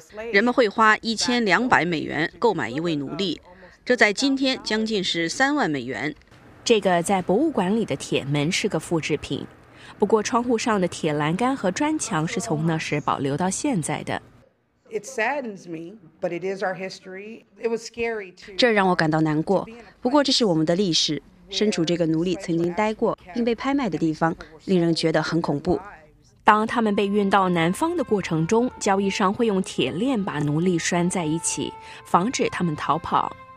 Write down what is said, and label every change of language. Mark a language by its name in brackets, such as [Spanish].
[Chinese] 人们会花1200美元购买一位奴隶，这在今天将近是30,000美元。这个在博物馆里的铁门是个复制品，不过窗户上的铁栏杆和砖墙是从那时保留到现在的。 [English] It saddens me, but it is our history. It was scary too. [Chinese] 这让我感到难过，不过这是我们的历史。身处这个奴隶曾经待过并被拍卖的地方，令人觉得很恐怖。当他们被运到南方的过程中，交易商会用铁链把奴隶拴在一起，防止他们逃跑。